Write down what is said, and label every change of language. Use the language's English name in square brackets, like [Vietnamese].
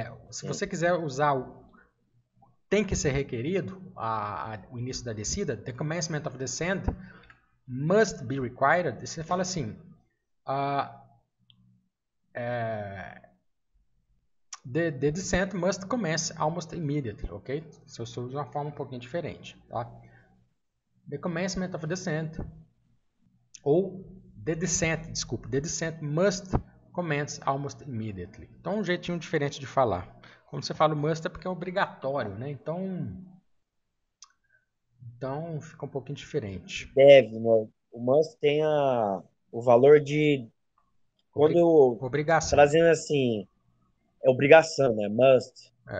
[Portuguese] Se você quiser usar o tem que ser requerido, o início da descida, [English] the commencement of descent must be required, [Portuguese] você fala assim, [English] the descent must commence almost immediately, [Portuguese] ok? Se eu usar uma forma um pouquinho diferente, tá? [English] The commencement of descent, ou the descent must commence almost immediately. [Portuguese] Então, um jeitinho diferente de falar. Quando você fala must, é porque é obrigatório, né? Então, fica um pouquinho diferente. Deve, né? O must tem o valor de... Obrigação. Trazendo assim, é obrigação, né? Must.